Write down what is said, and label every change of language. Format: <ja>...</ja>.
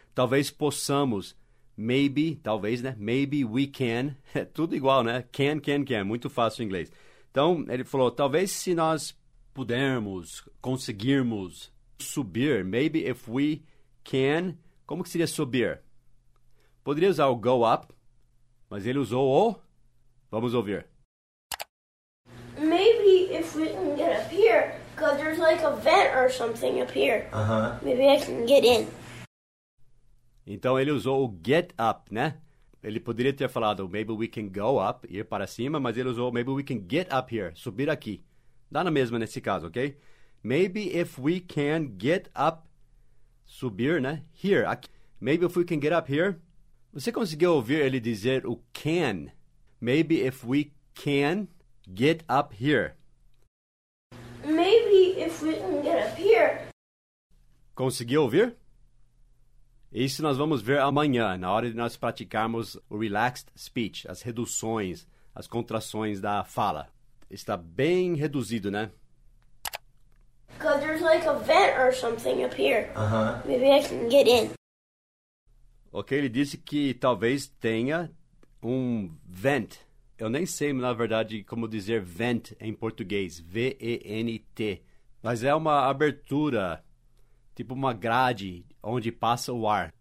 <pt>Talvez possamos, maybe, talvez, né?</pt> <en>Maybe we can.</en> <pt>É tudo igual, né? Can. Muito fácil em inglês. Então, ele falou, talvez se nós pudermos, conseguirmos subir,</pt> <en>maybe if we can,</en> <pt>como que seria subir? Poderia usar o go up, mas ele usou o... Vamos ouvir.</pt> <en>Maybe if we can get up here, because there's like a vent or something up here. Uh-huh. Maybe I can get in.</en> <pt>Então, ele usou o get up, né? Ele poderia ter falado,</pt> <en>maybe we can go up,</en> <pt>ir para cima, mas ele usou,</pt> <en>maybe we can get up here,</en> <pt>subir aqui. Dá na mesma nesse caso, ok?</pt> <en>Maybe if we can get up,</en> <pt>subir, né? Here, aqui.</pt> <en>Maybe if we can get up here.</en> <pt>Você conseguiu ouvir ele dizer o can?</pt> <en>Maybe if we can... Get up here. Maybe if we can get up here.</en> <pt>Conseguiu ouvir? Isso nós vamos ver amanhã, na hora de nós praticarmos o relaxed speech, as reduções, as contrações da fala. Está bem reduzido, né?</pt> <en>Because there's like a vent or something up here. Uh-huh. Maybe I can get in.</en> <pt>Ok, ele disse que talvez tenha um vent. Eu nem sei, na verdade, como dizer vent em português, V-E-N-T. Mas é uma abertura, tipo uma grade onde passa o ar.</pt>